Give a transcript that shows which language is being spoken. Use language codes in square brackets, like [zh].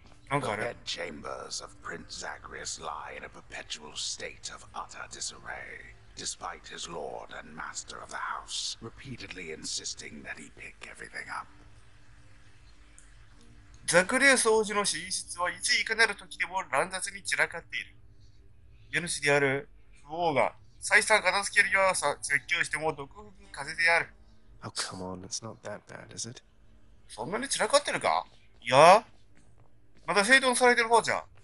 [en] The dead chambers of Prince Zagreus lie in a perpetual state of utter disarray, despite his lord and master of the house repeatedly insisting that he pick everything up. [ja] ザクレウス王子の寝室はいついかなる時でも乱雑に散らかっている。家主である父王が再三片付けるよう説教しても毒吹く風である。 [en] Oh, come on, it's not that bad, is it? [ja] そんなに散らかってるか？いや。まだ整頓されてる方じゃん。